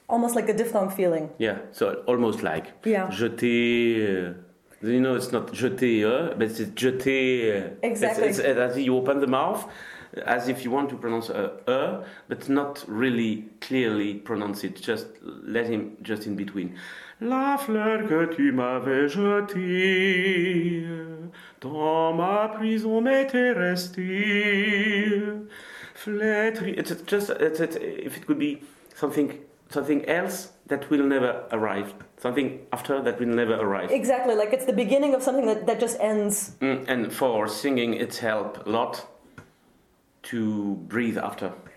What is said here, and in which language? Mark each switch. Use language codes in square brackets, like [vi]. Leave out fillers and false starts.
[en] Almost like a diphthong feeling. Yeah, so almost like. Yeah. [fr] Jeté. [en] You know, it's not jeté, but it's jeté. Exactly. It's, as you open the mouth, as if you want to pronounce a, but not really clearly pronounce it. Just let him, just in between. [fr] La fleur que tu m'avais jetée dans ma prison m'était restée. Flétrie. [en] If it could be something else that will never arrive. Something after that will never arrive. Exactly, like it's the beginning of something that just ends. And for singing, it's helped a lot to breathe after.